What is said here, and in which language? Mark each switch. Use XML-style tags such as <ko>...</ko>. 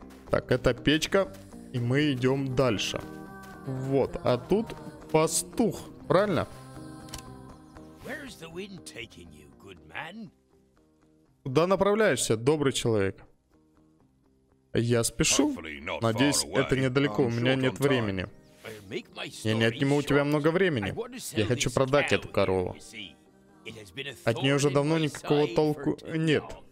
<ru>Так, это печка, и мы идем дальше. Вот, а тут пастух, правильно?</ru> <en>Where's the wind taking you, good man?</en> <ru>Куда направляешься, добрый человек? Я спешу. Надеюсь, это недалеко, у меня нет времени. Я не отниму у тебя много времени. Я хочу продать эту корову. От нее уже давно никакого толку нет.</ru>